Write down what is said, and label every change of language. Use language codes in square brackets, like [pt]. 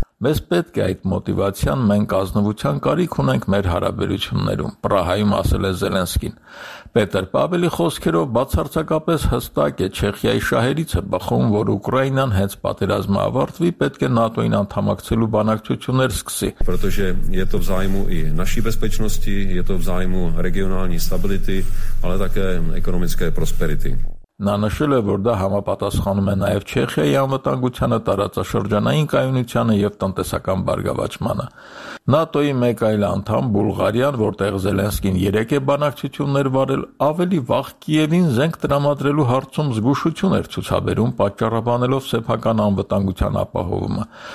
[hy] Մեզ պետք է այդ մոտիվացիան, մենք ազնվության կարիք ունենք մեր հարաբերություններում, Պրահայում ասել է Զելենսկին։ Պետր Պավելի խոսքերով բացարձակապես հստակ է Չեխիայի շահերիցը բխում, որ Ուկրաինան հենց պատերազմը ավարտվի, պետք է ՆԱՏՕ-ին անդամակցելու բանակցություններ սկսի։ [cs] Protože je to v zájmu i naší bezpečnosti, je to v zájmu regionální stability, ale také ekonomické prosperity. [hy] Նա նշել է, որ դա համապատասխանում է նաև Չեխիայի անվտանգությանը, տարածաշրջանային կայունությանը և տնտեսական բարգավաճմանը։ ՆԱՏՕ-ի մեկ այլ անդամ Բուլղարիան, որտեղ Զելենսկին 3 է բանակցություններ վարել, ավելի վաղ Կիևին զենք տրամադրելու հարցում զգուշություն էր ցուցաբերում, պատճառաբանելով սեփական անվտանգության ապահովումը։